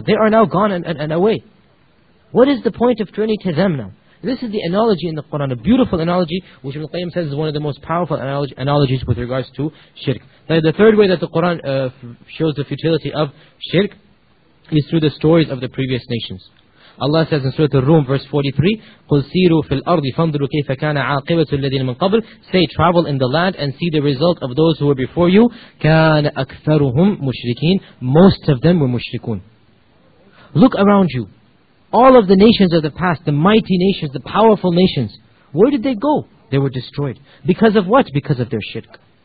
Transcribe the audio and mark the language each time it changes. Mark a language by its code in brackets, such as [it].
[en] They are now gone and away. What is the point of turning to them now? This is the analogy in the Quran, a beautiful analogy, which Ibn Qayyim says is one of the most powerful analogies with regards to shirk. The third way that the Quran shows the futility of shirk is through the stories of the previous nations. Allah says in Surah Al-Rum, verse 43, [ar] قُلْ سِيرُوا فِي الْأَرْضِ فَانْدُرُوا كَيْفَ كَانَ عَاقِبَةُ الَّذِينَ مِنْ قَبْلِ. [en] Say, travel in the land and see the result of those who were before you. [ar] كَانَ أَكْثَرُهُمْ مُشْرِكِينَ. [en] Most of them were mushrikun. Look around you. All of the nations of the past, the mighty nations, the powerful nations, where did they go? They were destroyed. Because of what? Because of their shirk.